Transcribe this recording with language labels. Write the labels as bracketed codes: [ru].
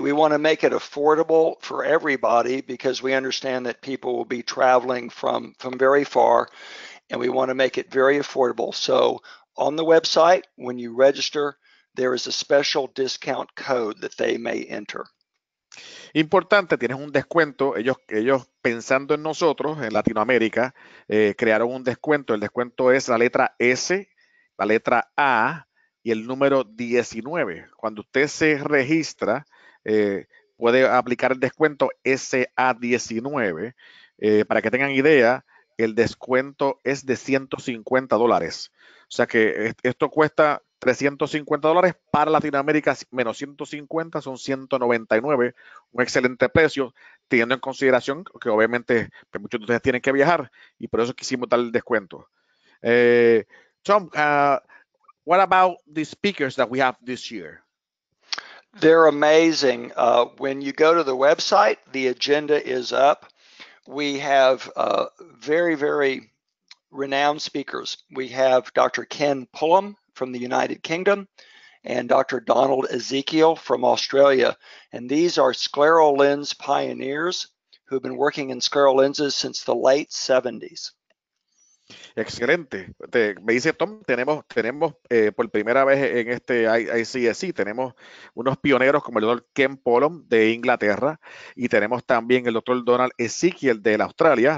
[en] We want to make it affordable for everybody because we understand that people will be traveling from very far, and we want to make it very affordable. So on the website, when you register, there is a special discount code that they may enter. [es] Importante, tienes un descuento. Ellos pensando en nosotros, en Latinoamérica, crearon un descuento. El descuento es la letra S, la letra A y el número 19. Cuando usted se registra, puede aplicar el descuento SA19. Para que tengan idea, el descuento es de $150. O sea que esto cuesta $350 para Latinoamérica, menos 150 son 199, un excelente precio, teniendo en consideración que obviamente que muchos de ustedes tienen que viajar y por eso quisimos dar el descuento. [en] Tom, what about the speakers that we have this year? They're amazing. When you go to the website, the agenda is up. We have very, very renowned speakers. We have Dr. Ken Pullum from the United Kingdom and Dr. Donald Ezekiel from Australia. And these are scleral lens pioneers who have been working in scleral lenses since the late 70s. [es] Excelente. Me dice Tom, tenemos por primera vez en este ICSI, tenemos unos pioneros como el doctor Ken Pollum de Inglaterra y tenemos también el doctor Donald Ezekiel de Australia.